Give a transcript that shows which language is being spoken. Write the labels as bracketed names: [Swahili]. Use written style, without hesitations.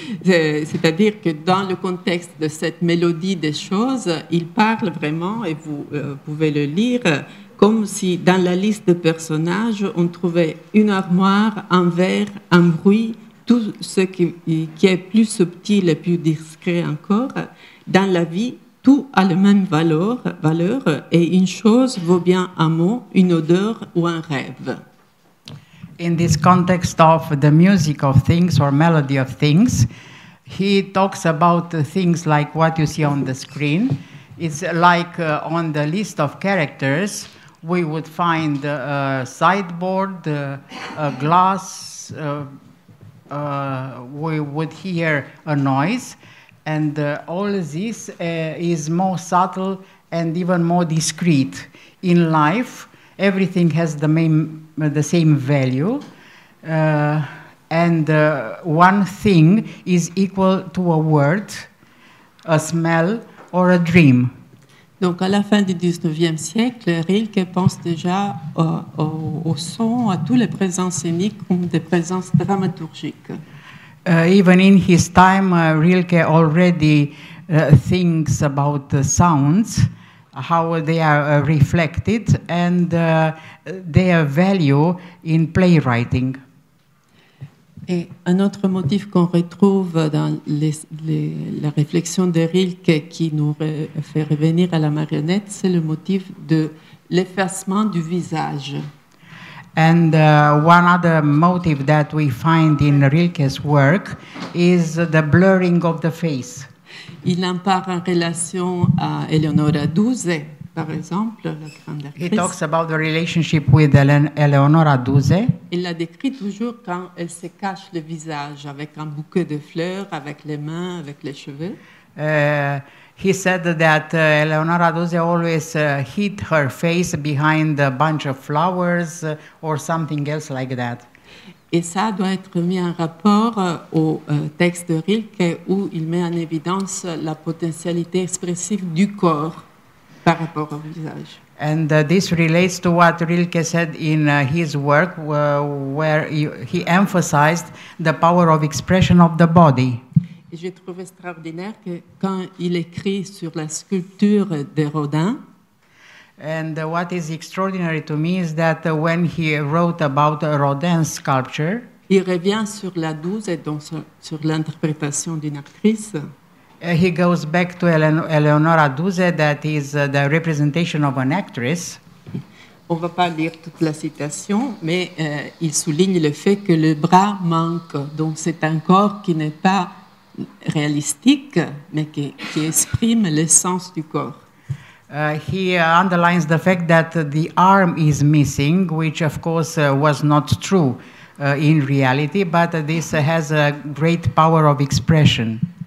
[French] C'est-à-dire que dans le contexte de cette mélodie des choses, il parle vraiment, et vous pouvez le lire, comme si dans la liste de personnages, on trouvait une armoire, un verre, un bruit, tout ce qui est plus subtil et plus discret encore. Dans la vie, tout a la même valeur et une chose vaut bien un mot, une odeur ou un rêve. [English] In this context of the music of things or melody of things, he talks about things like what you see on the screen. It's like on the list of characters, we would find a sideboard, a glass, we would hear a noise, and all of this is more subtle and even more discreet. In life, everything has the same value, and one thing is equal to a word, a smell, or a dream. [French] Donc, à la fin du 19e siècle, Rilke pense déjà au son, à toutes les présences scéniques comme des présences dramaturgiques. [English] Even in his time, Rilke already thinks about the sounds, how they are reflected, and their value in playwriting. [French] Et un autre motif qu'on retrouve dans la réflexion de Rilke qui nous fait revenir à la marionnette, c'est le motif de l'effacement du visage. [English] And one other motive that we find in Rilke's work is the blurring of the face. [French] Il en parle en relation à Eleonora Duse, par exemple, la grande actrice. [English] He talks about the relationship with Eleonora Duse. [French] Il la décrit toujours quand elle se cache le visage avec un bouquet de fleurs, avec les mains, avec les cheveux. [English] He said that Eleonora Duse always hid her face behind a bunch of flowers or something else like that. [French] Et ça doit être mis en rapport au texte de Rilke où il met en évidence la potentialité expressive du corps par rapport au visage. [English] And this relates to what Rilke said in his work where he emphasized the power of expression of the body. [French] Et j'ai trouvé extraordinaire que quand il écrit sur la sculpture de Rodin. [English] And what is extraordinary to me is that when he wrote about Rodin's sculpture, [French] il revient sur la Duse et donc sur l'interprétation d'une actrice. [English] He goes back to Eleonora Duse, that is the representation of an actress. [French] On ne va pas lire toute la citation, mais il souligne le fait que le bras manque, donc c'est un corps qui n'est pas réalistique, mais qui exprime l'essence du corps. [English] He underlines the fact that the arm is missing, which of course was not true in reality, but this has a great power of expression.